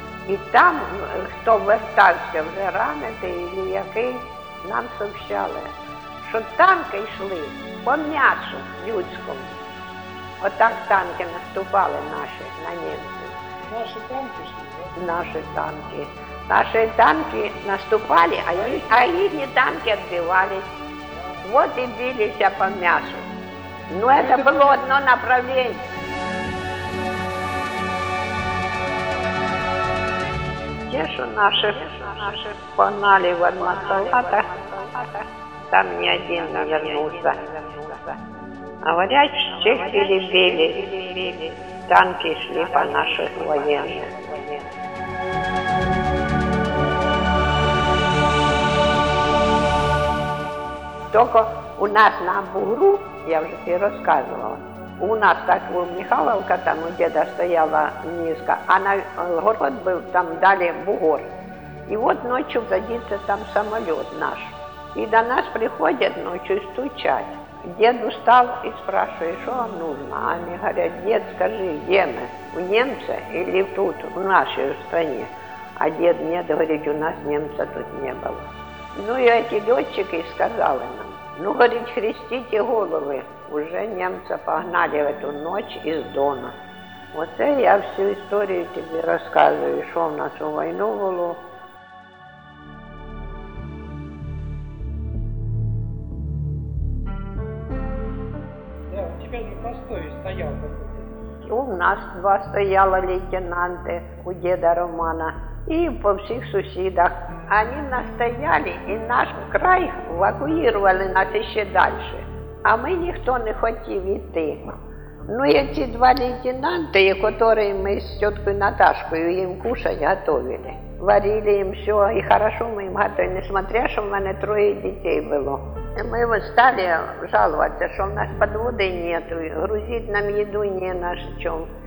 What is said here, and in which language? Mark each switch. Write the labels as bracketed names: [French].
[Ukrainian] І там, хто вертався вже ранений, чи який, нам сообщали, що танки йшли по м'ясу людському. Отак танки наступали наші на німці. Наші танки йшли? Наші танки. Наші танки наступали, а їхні танки відбивалися. От і білися по м'ясу. [Russian] Ну, это было одно направление. Те, что наши погнали в Адмасалатах, там не один навернулся. Говорят, все перебили, танки шли по наших военных. Только у нас на бугру, [Ukrainian] я вже тобі розказувала, у нас так в Михайловка, там у деда стояла низка, а на город був там далі бугор. І от ночі садиться там самоліт наш. І до нас приходять ночі стучать. Дед устав і спрашує, що вам нужно? А мені кажуть, дед, скажи, є ми, у німця чи тут, у нашій країні? А дед, ні, говорить, у нас німця тут не було. Ну і ці льотчики сказали нам, ну, говорить, хрестите голови, [Russian] уже немцы погнали в эту ночь из Дона. Вот это я всю историю тебе рассказываю, что у нас в войну было. Да, у тебя же постой стоял какой-то. У нас два стояло лейтенанты у деда Романа. И по всех соседах. Они настояли, и наш край эвакуировали нас еще дальше. А мы никто не хотели идти. [Ukrainian] Ну, як ті два лейтенанти, які ми з тіткою Наташкою їм кушати готовили. Варили їм все, і хорошо ми їм готовили, несмотря, що в мене троє дітей було. І ми стали жалуватися, що в нас підводи немає, грузити нам їду не на що.